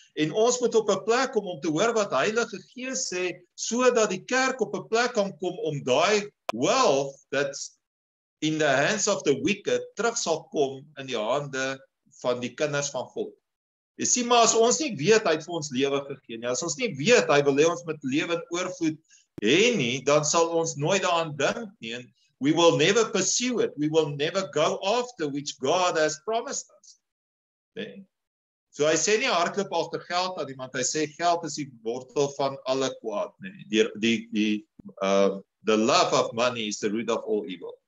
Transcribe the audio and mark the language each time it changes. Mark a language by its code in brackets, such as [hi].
[af] En ons moet op 'n plek kom om te hoor wat Heilige Gees sê, sodat die kerk op 'n plek kan kom om daai [en] wealth that's in the hands of the wicked [af] terug sal kom in die hande van die kinders van God. Jy sien, maar as ons nie weet, hy het vir ons lewe gegee nie, as ons nie weet, hy wil hê ons met lewe in oorvloed heen nie, dan sal ons nooit daaraan dink nie. [en] We will never pursue it. We will never go after which God has promised us. [af] Nee. So hy sê nie hardloop agter geld aan iemand. Hy sê geld is die wortel van alle kwaad. [en] The love of money is the root of all evil.